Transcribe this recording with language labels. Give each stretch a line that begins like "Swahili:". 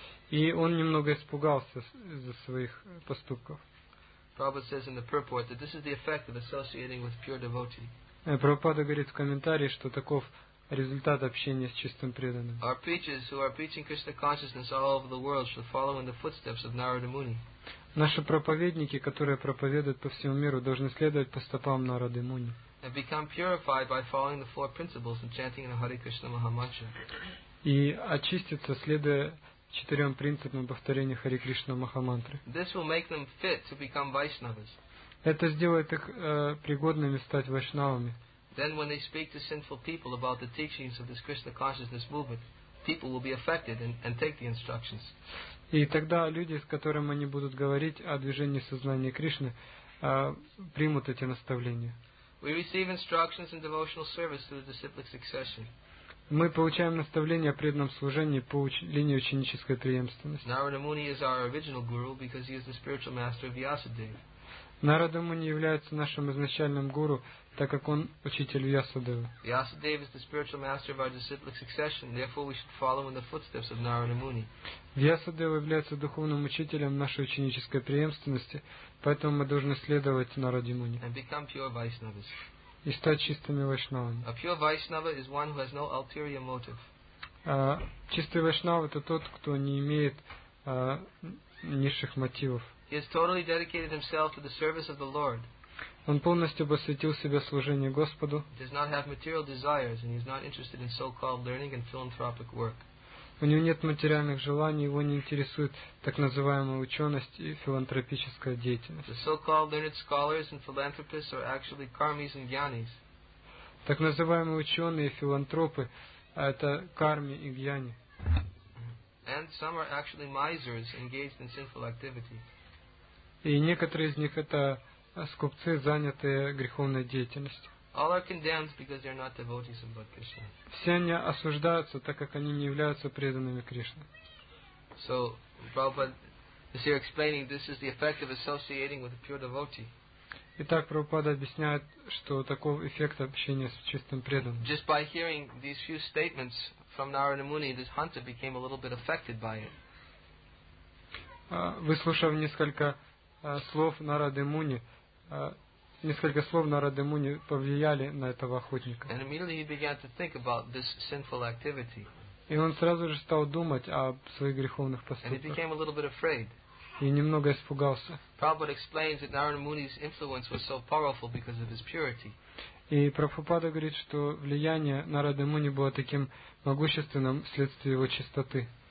Russian: И он немного испугался из-за своих поступков.
English: Prabhupada says in the purport that this is the effect of associating with pure devotee.
Russian: Прабхупада говорит в комментарии, что таков результат общения с чистым преданным.
English: Our preachers who are preaching Krishna consciousness all over the world should follow in the footsteps of Narada Muni.
Russian: Наши проповедники, которые проповедуют по всему миру, должны следовать по стопам Нарады Муни.
English: And become purified by following the four principles and chanting the Hare Krishna Maha Mantra.
Russian: И очиститься, следуя четырем принципам повторения Хари Кришна Махамантры.
English: This will make them fit to become Vaishnavas.
Russian: Это сделает их пригодными стать вайшнавами.
English: Then when they speak to sinful people about the teachings of this Krishna consciousness movement, people will be affected and take the instructions.
Russian: И тогда люди, с которыми они будут говорить о движении сознания Кришны, примут эти наставления.
English: We receive instructions in devotional service through the disciplic succession.
Russian: Мы получаем наставление о преданном служении по линии ученической преемственности.
English: Narada Muni is our original guru because he is the spiritual master of Vyasadeva.
Russian: Narada Muni является нашим изначальным гуру, так как он учитель Vyasadeva.
English: Vyasadeva is the spiritual master of our disciplic succession, therefore we should follow in the footsteps of Narada Muni.
Russian: Vyasadeva является духовным учителем нашей ученической преемственности, поэтому мы должны следовать Нараде Муни.
English: And become pure Vaishnavas.
Russian: И стать чистыми вайшнавами.
English: A pure Vaishnava is one who has no ulterior motive.
Russian: Чистый вайшнав это тот, кто не имеет низших мотивов.
English: He has totally dedicated himself to the service of the Lord.
Russian: Он полностью посвятил себя служению Господу.
English: He does not have material desires and he is not interested in so-called learning and philanthropic work.
Russian: У него нет материальных желаний, его не интересует так называемая ученость и филантропическая деятельность.
English: The so-called learned scholars and philanthropists are actually karmis and gyanis.
Russian: Так называемые ученые и филантропы – это карми и гьяни.
English: And some are actually misers engaged in sinful activity.
Russian: И некоторые из них – это скупцы, занятые греховной деятельностью.
English: All are condemned because they are not devotees of Lord Krishna.
Russian: Все они осуждаются, так как они не являются преданными Кришне.
English: So, Prabhupada is here explaining this is the effect of associating with a pure devotee.
Russian: Итак, Прабхупада объясняет, что такой эффект общения с чистым преданным.
English: Just by hearing these few statements from Narada Muni, this hunter became a little bit affected by it.
Russian: Выслушав несколько слов Нарады Муни, несколько слов Нарады Муни повлияли на этого охотника.
English: And immediately he began to think about this sinful activity.
Russian: И он сразу же стал думать о своих греховных поступках.
English: And he became a little bit afraid.
Russian: И немного испугался.
English: Prabhupada explains that Narada Muni's influence was so powerful because of his purity.
Russian: И Прабхупада говорит, что влияние Нарады Муни было таким могущественным вследствие его чистоты.